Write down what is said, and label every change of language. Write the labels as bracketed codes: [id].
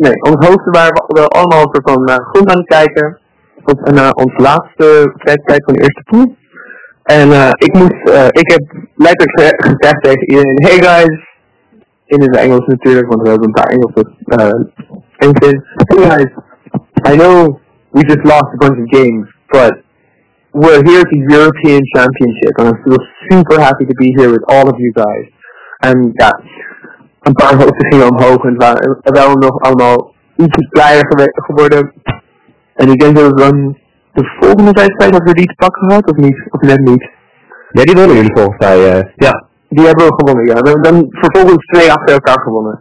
[nl] Ons hoofd waren we allemaal over van groen aan het kijken. Tot naar onze laatste wedstrijd van de eerste pool. En ik heb letterlijk gezegd tegen iedereen, [en] hey guys, [nl] in het Engels natuurlijk, want we hebben een paar Engelse engines. [en] Hey guys, I know we just lost a bunch of games, but we're here at the European Championship, and I feel super happy to be here with all of you guys. [nl] En ja, een paar hoogte gingen omhoog en waren wel nog allemaal ietsjes blijer geworden. En ik denk dat het dan de volgende wedstrijd hebben we die te pakken gehad, of niet? Of net niet? Ja, die wonnen jullie volgens mij, ja. Die hebben we gewonnen, ja. We hebben dan vervolgens 2 achter elkaar gewonnen.